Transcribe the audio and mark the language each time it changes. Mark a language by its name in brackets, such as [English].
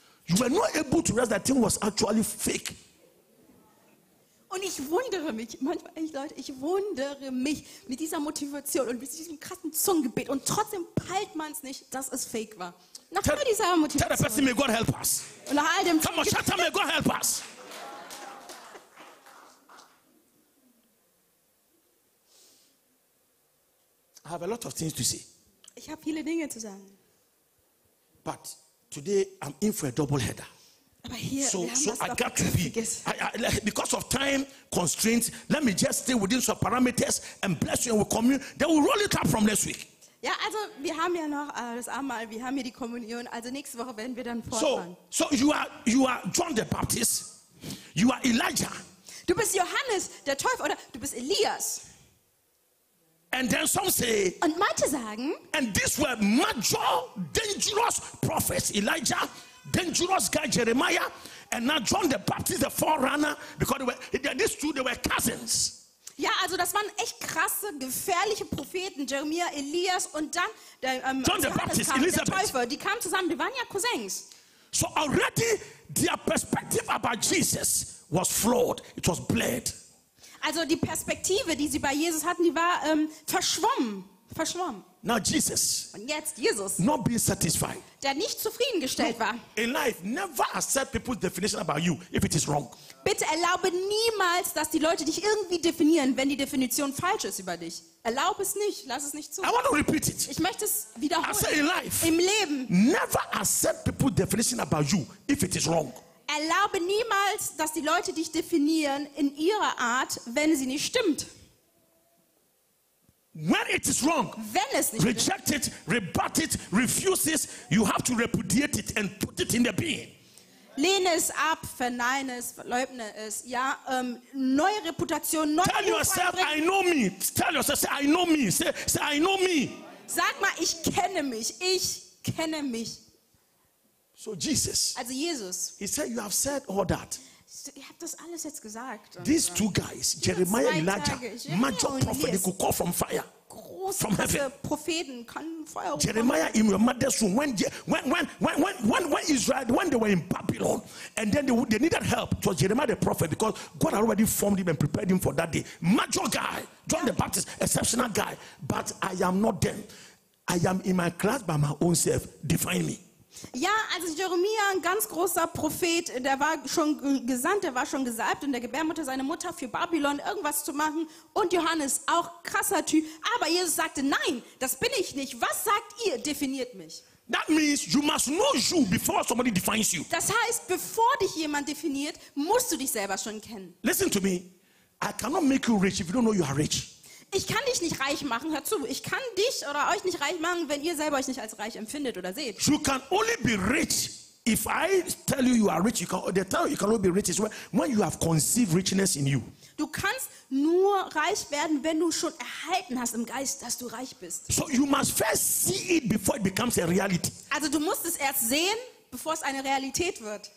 [English] You were not able to realize that thing was actually fake. [German] Und ich wundere mich, manchmal echt Leute, ich wundere mich mit dieser Motivation und mit diesem krassen Zungengebet und trotzdem peilt man es nicht, dass es fake war. Nach all dieser Motivation. [English] Tell the person, may God help us. [German] Und nach all dem [English] Come on, shut up, may God help us. I have a lot of things to say. [German] Ich habe viele Dinge zu sagen. [English] But today I'm in for a double header. So I got to be, because of time constraints, let me just stay within some parameters and bless you and we commune. Then we'll roll it up from next week. [German] Ja, also wir haben ja noch das Abendmahl, wir haben hier die Kommunion, also nächste Woche werden wir dann fortfahren. [English] So you are John the Baptist, you are Elijah. [German] Du bist Johannes, der Teufel, oder du bist Elias. [English] And then some say, [German] und manche sagen, [English] and these were major, dangerous prophets, Elijah, dangerous guy Jeremiah, and now John the Baptist, the forerunner, because these two were cousins. [German] Ja, also das waren echt krasse, gefährliche Propheten, Jeremia, Elias und dann der, [English] John the Baptist, kam, Elizabeth. [German] Der Teufel, die kamen zusammen, die waren ja Cousins. [English] So already their perspective about Jesus was flawed, it was blurred. [German] Also die Perspektive, die sie bei Jesus hatten, die war verschwommen. [English] Now Jesus, [German] und jetzt Jesus, [English] not being satisfied, [German] der nicht zufriedengestellt war. [English] In life, never accept people's definition about you if it is wrong. [German] Bitte erlaube niemals, dass die Leute dich irgendwie definieren, wenn die Definition falsch ist über dich. Erlaub es nicht, lass es nicht zu. [English] I want to repeat it. [German] Ich möchte es wiederholen. [English] I say in life, [German] im Leben, [English] never accept people's definition about you if it is wrong. [German] Erlaube niemals, dass die Leute dich definieren in ihrer Art, wenn sie nicht stimmt. [English] When it is wrong, [German] wenn es nicht [English] reject [German] stimmt. [English] It, rebut it, refuse it, you have to repudiate it and put it in the bin. [German] Lehne es ab, verneine es, verleugne es. Ja, neue Reputation, neue [English] Tell yourself, I know me. Tell yourself, say, I know me. Say, I know me. [German] Sag mal, ich kenne mich. Ich kenne mich. [English] So Jesus. [German] Also Jesus. [English] He said, you have said all that. [German] Ihr habt das alles jetzt gesagt. [English] These two guys, Jeremiah and Elijah, major prophet, they could call from fire. From heaven. [German] Propheten kann Feuer. [English] Jeremiah in your mother's womb, when Israel, when they were in Babylon, and then they needed help, it was Jeremiah the prophet, because God had already formed him and prepared him for that day. Major guy, John the Baptist, exceptional guy, but I am not them. I am in my class by my own self. Define me. [German] Ja, also Jeremia, ein ganz großer Prophet, der war schon gesandt, der war schon gesalbt in der Gebärmutter seiner Mutter für Babylon irgendwas zu machen. Und Johannes, auch krasser Typ. Aber Jesus sagte, nein, das bin ich nicht. Was sagt ihr? Definiert mich. [English] That means you must know you before somebody defines you. [German] Das heißt, bevor dich jemand definiert, musst du dich selber schon kennen. [English] Listen to me, I cannot make you rich if you don't know you are rich. [German] Ich kann dich nicht reich machen, hör zu. Ich kann dich oder euch nicht reich machen, wenn ihr selber euch nicht als reich empfindet oder seht. [English] You can only be rich if I tell you you are rich. You can only be rich is when you have conceived richness in you. [German] Du kannst nur reich werden, wenn du schon erhalten hast im Geist, dass du reich bist. [English] So you must first see it before it becomes a reality. [German] Also du musst es erst sehen, bevor es eine Realität wird.